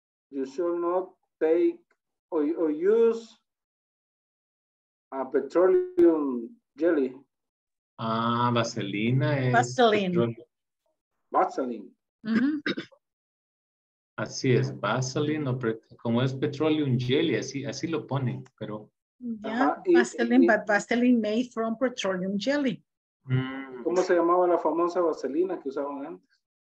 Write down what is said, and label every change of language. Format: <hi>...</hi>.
<en>You should not take or use a petroleum jelly.</en> <es>Ah, vaselina es.</es> <en>Vaseline. Vaseline. Mm-hmm.</en> <es>Así es, vaseline o como es petroleum jelly, así lo ponen, pero.</es> <en>Yeah, vaseline, but vaseline made from petroleum jelly.</en> <es>¿Cómo se llamaba la famosa vaselina que usaban antes?</es>